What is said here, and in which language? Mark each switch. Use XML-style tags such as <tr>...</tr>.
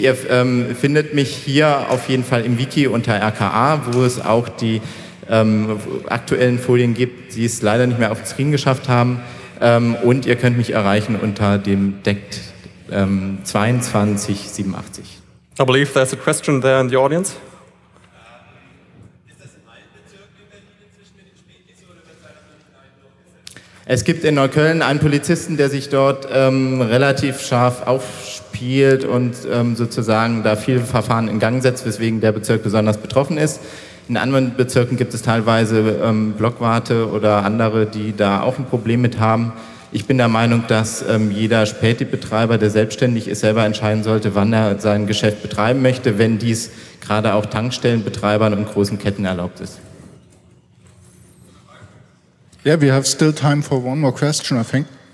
<de>Ihr findet mich hier auf jeden Fall im Wiki unter RKA, wo es auch die aktuellen Folien gibt, die es leider nicht mehr auf den Screen geschafft haben. Und ihr könnt mich erreichen unter dem DECT 2287.</de> <en>I believe there's a question there in the audience.</en> <de>Es gibt in Neukölln einen Polizisten, der sich dort relativ scharf aufspielt und sozusagen da viele Verfahren in Gang setzt, weswegen der Bezirk besonders betroffen ist. In anderen Bezirken gibt es teilweise Blockwarte oder andere, die da auch ein Problem mit haben. Ich bin der Meinung, dass jeder Späti-Betreiber, der selbstständig ist, selber entscheiden sollte, wann er sein Geschäft betreiben möchte, wenn dies gerade auch Tankstellenbetreibern und großen Ketten erlaubt ist.</de> <en>Yeah, we have still time for one more question, I think.</en>